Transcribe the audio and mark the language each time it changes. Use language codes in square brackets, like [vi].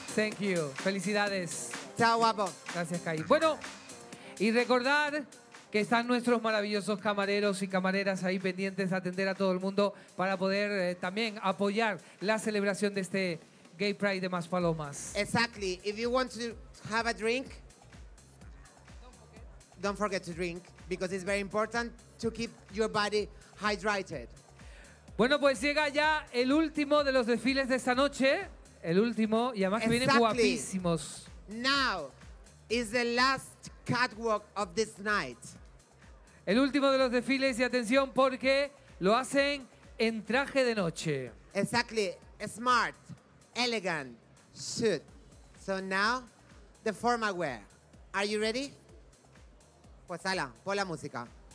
[en] Thank you. Felicidades. [es] Chao, guapo. Gracias, Kai. Bueno, y recordar que están nuestros maravillosos camareros y camareras ahí pendientes de atender a todo el mundo para poder también apoyar la celebración de este Gay Pride de Maspalomas. [en] Exactly. If you want to have a drink, don't forget to drink because it's very important to keep your body hydrated. [es] Bueno, pues llega ya el último de los desfiles de esta noche. El último, y además [en] exactly. [es] Que vienen guapísimos. [en] Now is the last catwalk of this night. [es] El último de los desfiles, y atención, porque lo hacen en traje de noche. [en] Exactly. Smart, elegant, suit. So now, the formal wear. Are you ready? [es] Pues hala, pon la música.